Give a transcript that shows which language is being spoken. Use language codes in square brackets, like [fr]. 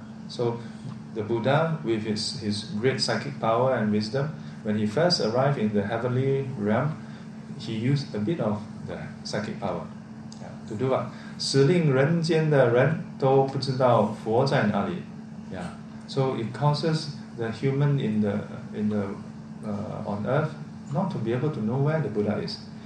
[en] So the Buddha, with his great psychic power and wisdom, when he first arrived in the heavenly realm, he used a bit of the psychic power to do what? [zh] 使令人间的人都不知道佛在哪里. [en] Yeah, so it causes the human in the on earth not to be able to know where the Buddha is.